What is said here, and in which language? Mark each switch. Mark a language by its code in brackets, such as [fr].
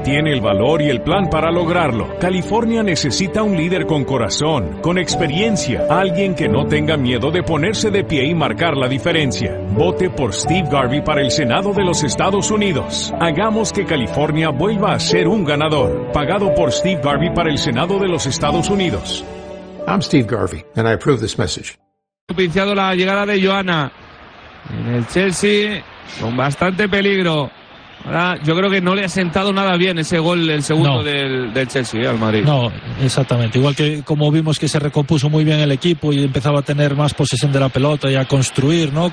[es] Tiene el valor y el plan para lograrlo. California necesita un líder con corazón, con experiencia, alguien que no tenga miedo de ponerse de pie y marcar la diferencia. Vote por Steve Garvey para el Senado de los Estados Unidos. Hagamos que California vuelva a ser un ganador. Pagado por Steve Garvey para el Senado de los Estados Unidos. [en] I'm Steve Garvey, and I approve this message. [es] Propiciado la llegada de Joana en el Chelsea con bastante peligro. Ahora, yo creo que no le ha sentado nada bien ese gol, el segundo del Chelsea al Madrid. No, exactamente. Igual que como vimos que se recompuso muy bien el equipo y empezaba a tener más posesión de la pelota y a construir, ¿no?